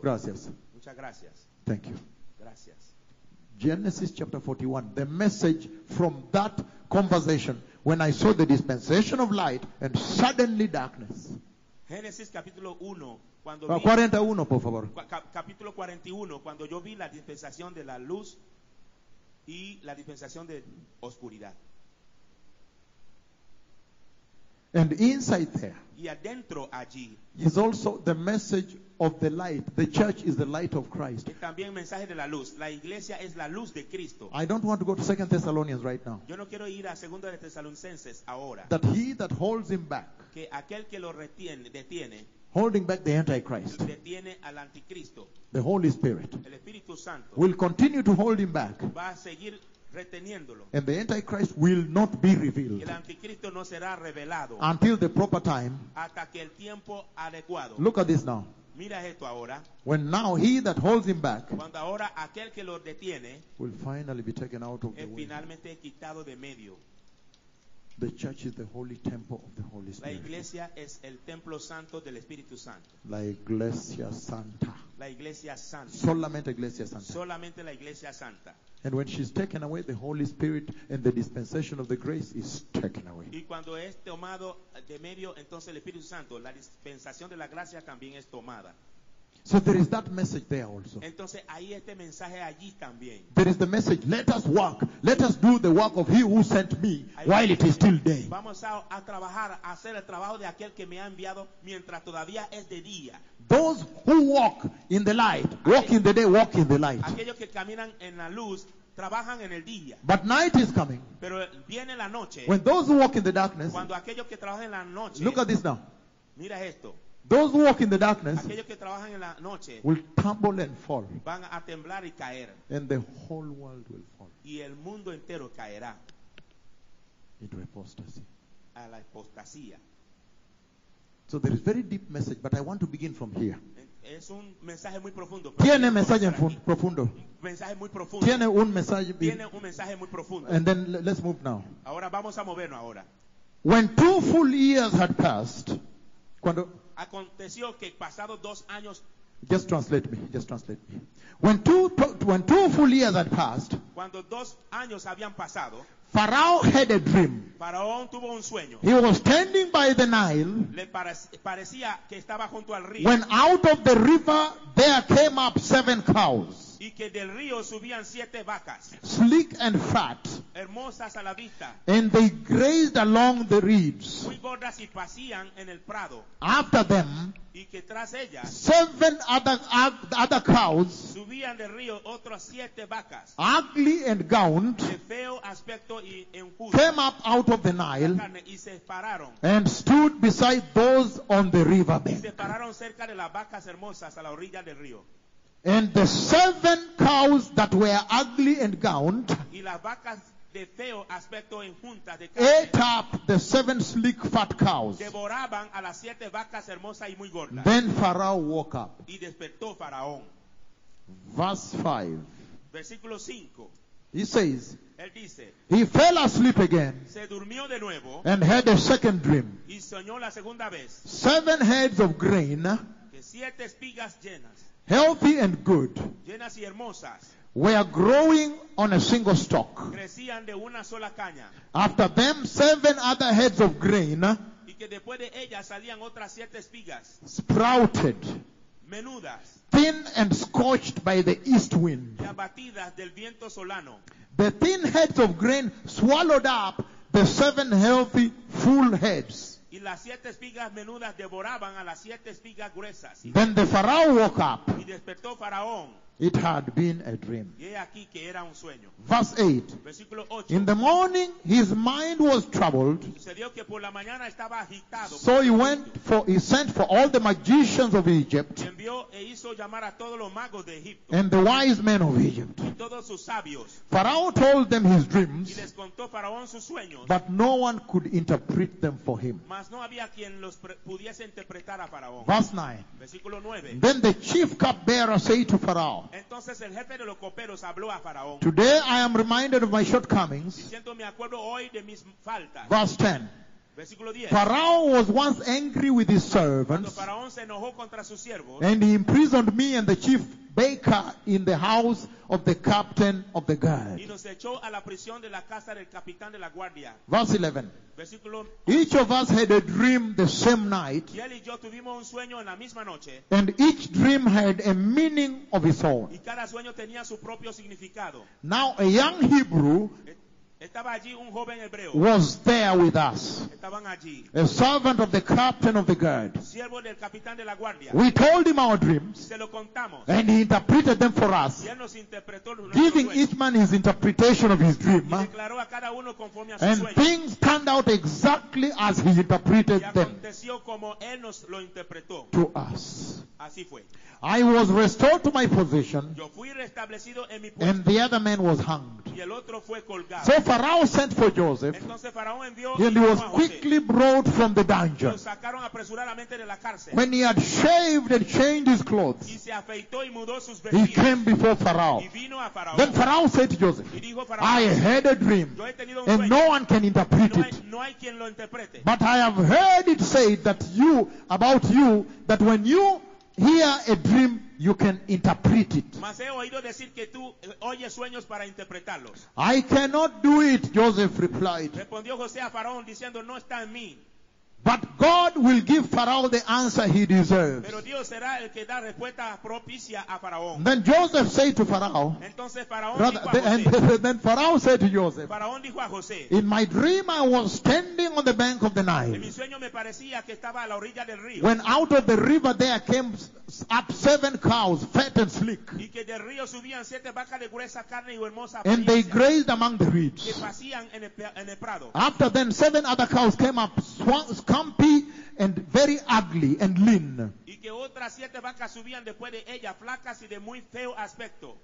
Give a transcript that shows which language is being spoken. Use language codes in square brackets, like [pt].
[es] Gracias. Muchas gracias. [en] Thank you. [es] Gracias. [en] Genesis chapter 41. The message from that conversation when I saw the dispensation of light and suddenly darkness. [es] Genesis capítulo 1. Cuando 41, por favor. Capítulo 41. Cuando yo vi la dispensación de la luz y la dispensación de oscuridad. [en] And inside there [es] y adentro, allí, [en] is also the message of the light. The church is the light of Christ. [es] Es también mensaje de la luz. La iglesia es la luz de Cristo. [en] I don't want to go to 2 Thessalonians right now. [es] Yo no quiero ir a Segunda de Tesalonicenses ahora. [en] That he that holds him back, [es] que aquel que lo retiene, detiene, [en] holding back the Antichrist, [es] detiene al Anticristo, [en] the Holy Spirit, [es] el Espíritu Santo, [en] will continue to hold him back. [es] Va a seguir. [en] And the Antichrist will not be revealed [es] el Anticristo no será revelado [en] until the proper time. [es] Hasta que el tiempo adecuado. [en] Look at this now. [es] Mira esto ahora. [en] When now he that holds him back [es] cuando ahora aquel que lo detiene [en] will finally be taken out of the way. [es] Finalmente quitado de medio. [en] The church is the holy temple of the Holy Spirit. [es] La iglesia es el templo santo del Espíritu Santo. La iglesia santa. La iglesia santa. Solamente iglesia santa. Solamente la iglesia santa. [en] And when she's taken away, the Holy Spirit and the dispensation of the grace is taken away. [es] Y cuando es tomado de medio, entonces el Espíritu Santo, la dispensación de la gracia también es tomada. [en] So there is that message there also. [es] Entonces, ahí este mensaje allí también. [en] There is the message, let us walk. Let us do the work of he who sent me while it is still day. [es] Vamos a trabajar, a hacer el trabajo de aquel que me ha enviado mientras todavía es de día. [en] Those who walk in the light, walk in the day, walk in the light. [es] Aquellos que caminan en la luz, trabajan en el día. [en] But night is coming. [es] Pero viene la noche. [en] When those who walk in the darkness, [es] cuando aquellos que trabajan en la noche, [en] look at this now. [es] Mira esto. [en] Those who walk in the darkness [es] aquellos que trabajan en la noche [en] will tumble and fall. [es] Van a temblar y caer. [en] And the whole world will fall. [es] Y el mundo entero caerá. [en] Into apostasy. [es] A la apostasía. [en] So there is very deep message, but I want to begin from here. [es] Es un mensaje muy profundo. Tiene mensaje profundo. Mensaje muy profundo. Tiene un mensaje. Tiene un mensaje muy profundo. [en] And then let's move now. [es] Ahora vamos a movernos ahora. [en] When 2 full years had passed, [es] cuando aconteció que pasado 2 años. [en] Just translate me. Just translate me. When two full years had passed. [es] Cuando 2 años habían pasado. [en] Pharaoh had a dream. [es] Faraón tuvo un sueño. [en] He was standing by the Nile. [es] Le parecía que estaba junto al río. [en] When out of the river there came up 7 cows. [es] Y que del río subían 7 vacas. [en] Sleek and fat. [es] Hermosas a la vista. [en] And they grazed along the reeds. [es] Muy gordas y pasían en el prado. [en] After them. [es] Y que tras ellas. [en] 7 other cows. [es] Subían del río otras 7 vacas. [en] Ugly and gaunt. [es] De feo aspecto y enjuto. [en] Came up out of the Nile. [es] Y se pararon. [en] And stood beside those on the river bank. [es] Se pararon cerca de las vacas hermosas a la orilla del río. [en] And the seven cows that were ugly and gowned [es] y las vacas de feo aspecto en juntas de [en] carne, ate up the seven sleek fat cows. [es] Devoraban a las siete vacas hermosas y muy gordas. [en] Then Pharaoh woke up. [es] Y despertó Faraón. [en] Verse 5. [es] Versículo 5. [en] He says, [es] él dice, [en] he fell asleep again [es] se durmió de nuevo, [en] and had a second dream. [es] Y soñó la segunda vez, [en] seven heads of grain, [es] que siete espigas llenas, [en] healthy and good, [es] llenas y hermosas, [en] were growing on a single stalk. [es] Crecían de una sola caña. [en] After them, seven other heads of grain [es] y que después de ellas salían otras siete espigas, [en] sprouted. [es] Menudas, [en] thin and scorched by the east wind. [es] Y abatidas del viento solano. [en] The thin heads of grain swallowed up the seven healthy, full heads. [es] Y las siete espigas menudas devoraban a las siete espigas gruesas. [en] Then the Pharaoh woke up. [es] Y despertó Faraón. [en] It had been a dream. [es] Y aquí que era un sueño. [en] Verse 8. [es] Versículo 8. [en] In the morning his mind was troubled. [es] Se dio que por la mañana estaba agitado. [en] So he went for, he sent for all the magicians of Egypt. [es] Y envió e hizo llamar a todos los magos de Egipto. [en] And the wise men of Egypt. [es] Y todos sus sabios. [en] Pharaoh told them his dreams. [es] Y les contó Faraón sus sueños. [en] But no one could interpret them for him. [es] Mas no había quien los pudiese interpretar a Faraón. [en] Verse 9. [es] Versículo 9. [en] Then the chief cupbearer said to Pharaoh. [es] Entonces el jefe de los coperos habló a Faraón. [en] Today I am reminded of my shortcomings. [es] Siento me acuerdo hoy de mis faltas. [en] Verse 10. [es] Versículo 10. [en] Pharaoh was once angry with his servants. [es] Cuando Faraón se enojó contra sus siervos. [en] And he imprisoned me and the chief baker in the house of the captain of the guard. [es] Y nos echó a la prisión de la casa del capitán de la guardia. [en] Verse 11. [es] Versículo. [en] Each of us had a dream the same night. [es] Y él y yo tuvimos un sueño en la misma noche. [en] And each dream had a meaning of its own. [es] Y cada sueño tenía su propio significado. [en] Now a young Hebrew [es] estaba allí un joven hebreo. [en] Was there with us. [es] Estaban allí. [en] A servant of the captain of the guard. [es] Siervo del capitán de la guardia. [en] We told him our dreams. [es] Se lo contamos. [en] And he interpreted them for us. [es] Y él nos interpretó nuestro sueño. [en] Giving each man his interpretation of his dream. [es] Y declaró a cada uno conforme a su [en] and [es] sueño. [en] Things turned out exactly as he interpreted [es] y aconteció [en] them. [es] Como él nos lo interpretó. [en] To us. [es] Así fue. [en] I was restored to my position. [es] Yo fui restablecido en mi puesto. [en] And the other man was hanged. [es] Y el otro fue colgado. [en] So Pharaoh sent for Joseph. [es] Entonces, Faraón envió [en] and he was quickly brought from the dungeon. [es] Lo sacaron apresuradamente de la cárcel. [en] When he had shaved and changed his clothes. [es] Y se afeitó y mudó sus vestidos. [en] He came before Pharaoh. [es] Y vino a Faraón. [en] Then Pharaoh said to Joseph. [es] Y dijo Faraón, [en] I had a dream. [es] Yo he tenido un [en] and [es] sueño. [en] No one can interpret it. [es] No hay quien lo interprete. [en] But I have heard it said that you, about you, that when you hear a dream, you can interpret it. [es] Mas he oído decir que tú oyes sueños para interpretarlos. [en] I cannot do it, Joseph replied. [es] Respondió José a Faraón diciendo, no está en mí. [en] But God will give Pharaoh the answer he deserves. [es] Pero Dios será el que da respuesta propicia a Faraón. [en] Then Joseph said to Pharaoh. [es] Entonces Faraón [en] rather, [es] dijo a [en] José, and then Pharaoh said to Joseph. [es] Faraón dijo a José, [en] in my dream I was standing on the bank of the Nile. [es] En mi sueño me parecía que estaba a la orilla del río. [en] When out of the river there came up seven cows, fat and sleek. [es] Y que del río subían siete vacas de gruesa carne y hermosa apariencia. [en] And they grazed among the reeds. [es] Que pasían en el prado. [en] After then seven other cows came up, Humpy and very ugly and lean. [es] Y que otras siete vacas subían después de ella, flacas y de muy feo aspecto.